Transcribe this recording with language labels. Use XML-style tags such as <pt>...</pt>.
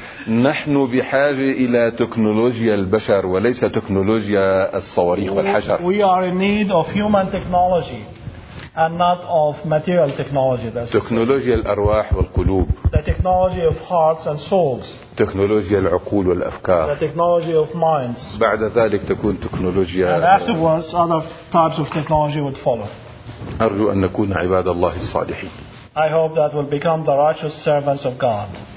<ar>نحن بحاجة إلى تكنولوجيا البشر وليس تكنولوجيا الصواريخ والحجر.</ar> <en>We are in need of human technology and not of material technology.</en> <ar>تكنولوجيا الأرواح والقلوب.</ar> <en>The technology of hearts and souls.</en> <ar>تكنولوجيا العقول والأفكار.</ar> <en>The technology of minds.</en> <ar>بعد ذلك تكون تكنولوجيا.</ar> <en>And afterwards, other types of technology would follow.</en> <ar>أرجو أن نكون عباد الله الصالحين.</ar> <en>I hope that we'll become the righteous servants of God.</en>